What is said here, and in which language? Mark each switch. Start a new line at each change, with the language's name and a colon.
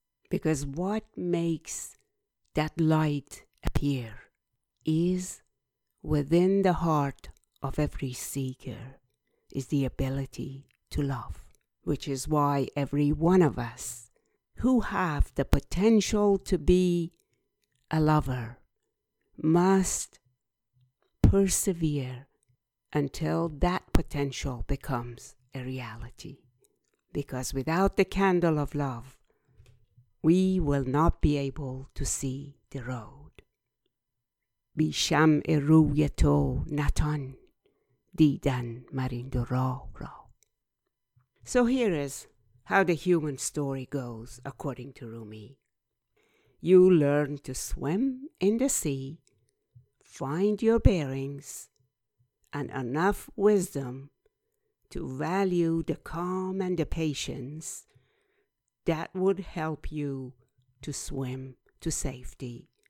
English: Because what makes that light appear is within the heart of every seeker is the ability to love, which is why every one of us who have the potential to be a lover must persevere until that potential becomes a reality. because without the candle of love, we will not be able to see the road.
Persian: بی شمع روی تو نتان دیدن مر این دو راه را.
English: So here is how the human story goes, according to Rumi. You learn to swim in the sea, find your bearings, and enough wisdom to value the calm and the patience that would help you to swim to safety.